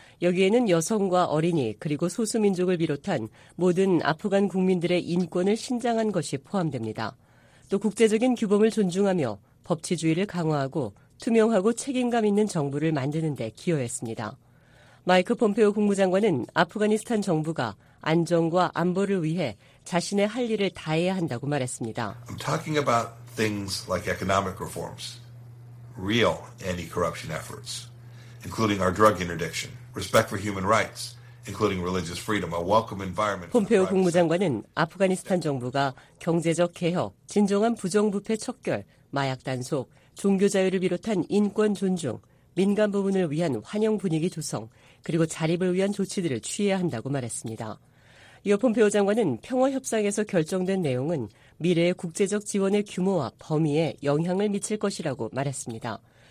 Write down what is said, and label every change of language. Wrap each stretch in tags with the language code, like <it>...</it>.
<ko>여기에는 여성과 어린이 그리고 소수민족을 비롯한 모든 아프간 국민들의 인권을 신장한 것이 포함됩니다. 또 국제적인 규범을 존중하며 법치주의를 강화하고 투명하고 책임감 있는 정부를 만드는 데 기여했습니다. 마이크 폼페오 국무장관은 아프가니스탄 정부가 안정과 안보를 위해 자신의 할 일을 다해야 한다고 말했습니다.</ko> <en>I'm talking about things like economic reforms, real anti-corruption efforts, including our drug interdiction, respect for human rights, including religious freedom, a welcome environment.</en> <ko>폼페오 국무장관은 아프가니스탄 정부가 경제적 개혁, 진정한 부정부패 척결, 마약 단속, 종교 자유를 비롯한 인권 존중, 민간 부분을 위한 환영 분위기 조성, 그리고 자립을 위한 조치들을 취해야 한다고 말했습니다. 이어 폼페오 장관은 평화협상에서 결정된 내용은 미래의 국제적 지원의 규모와 범위에 영향을 미칠 것이라고 말했습니다.</ko>